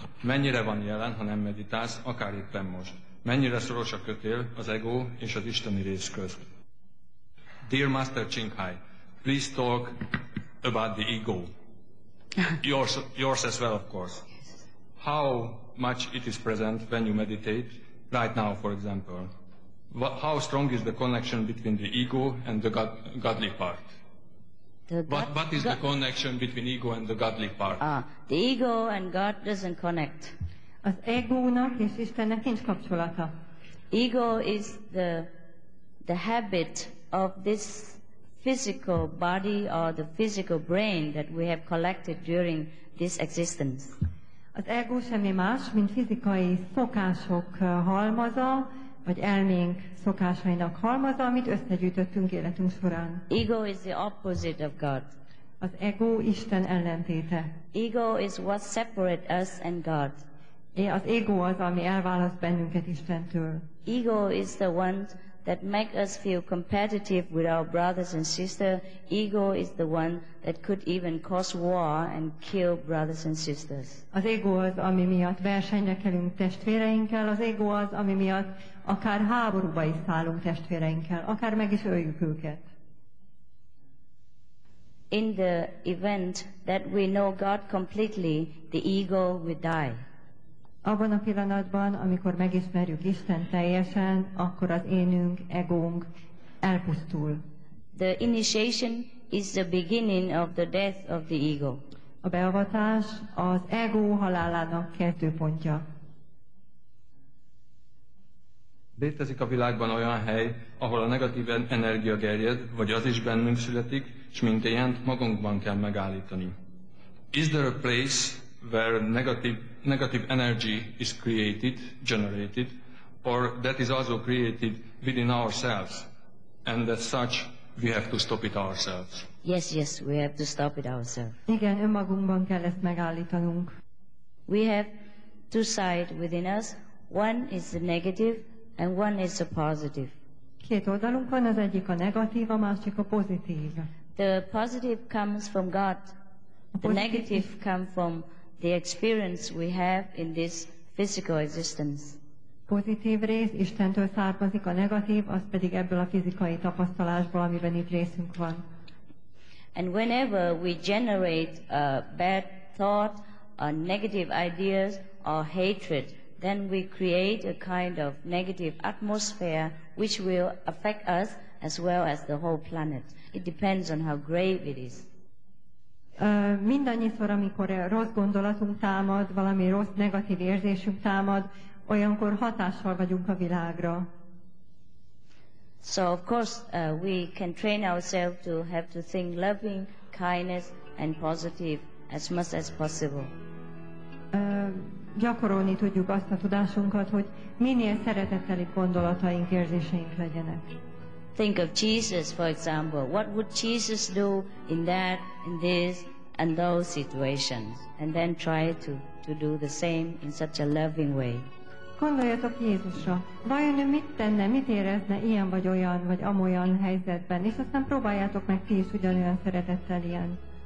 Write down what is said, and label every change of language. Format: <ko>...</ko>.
<hu>Mennyire van jelen, ha nem meditálsz, akár éppen most? Mennyire szoros a kötél az egó és az isteni rész közt?</hu> <en>Dear Master Csinkháj, please talk about the ego, yours as well, of course. How much it is present when you meditate, right now, for example? How strong is the connection between the ego and the godly part? What is the connection between ego and the godly part? The ego and God doesn't connect.</en> <hu>Az egónak és Istennek nincs kapcsolata.</hu> <en>Ego is the habit of this physical body or the physical brain that we have collected during this existence.</en> <hu>Az ego semmi más, mint fizikai szokások halmaza, vagy elménk szokásainak halmaza, amit összegyűjtöttünk életünk során.</hu> <en>Ego is the opposite of God.</en> <hu>Az ego Isten ellentéte.</hu> <en>Ego is what separates us and God.</en> <hu>Az ego az, ami elválaszt bennünket Istentől.</hu> <en>Ego is the one that makes us feel competitive with our brothers and sisters. Ego is the one that could even cause war and kill brothers and sisters.</en> <hu>Az ego az, ami miatt versenyre kelünk testvéreinkkel. Az ego az, ami miatt akár háborúba is szállunk testvéreinkkel, akár meg is öljük őket.</hu> <en>In the event that we know God completely, the ego will die.</en> <hu>Abban a pillanatban, amikor megismerjük Isten teljesen, akkor az énünk, egónk elpusztul.</hu> <en>The initiation is the beginning of the death of the ego.</en> <hu>A beavatás az ego halálának kezdőpontja. Létezik a világban olyan hely, ahol a negatív energia gerjed, vagy az is bennünk születik, s mint ilyent magunkban kell megállítani.</hu> <en>Is there a place where negative energy is created, generated, or that is also created within ourselves, and as such we have to stop it ourselves? Yes, we have to stop it ourselves.</en> <hu>Igen, önmagunkban kell ezt megállítanunk.</hu> <en>We have two sides within us. One is the negative and one is the positive.</en> <hu>Két oldalunk van, az egyik a negatív, a másik a pozitív.</hu> <en>The positive comes from God. The negative comes from the experience we have in this physical existence.</en> <hu>Pozitív rész Istentől származik, a negatív az pedig ebből a fizikai tapasztalásból, amiben itt részünk van.</hu> <en>And whenever we generate a bad thought, a negative ideas or hatred, then we create a kind of negative atmosphere which will affect us as well as the whole planet. It depends on how grave it is.</en> <hu>Mindannyiszor, amikor rossz gondolatunk támad, valami rossz, negatív érzésünk támad, olyankor hatással vagyunk a világra.</hu> <en>So of course we can train ourselves to have to think loving, kindness and positive as much as possible.</en> <hu>Gyakorolni tudjuk azt a tudásunkat, hogy minél szeretettelibb gondolataink, érzéseink legyenek.</hu> <en>Think of Jesus, for example. What would Jesus do in that, in this, and those situations? And then try to do the same in such a loving way.</en> <hu>Gondoljatok Jézusra. Vajon ő mit tenne, mit érezne ilyen vagy olyan, vagy amolyan helyzetben? És aztán próbáljátok meg ti is ugyanolyan szeretettel ilyen.</hu>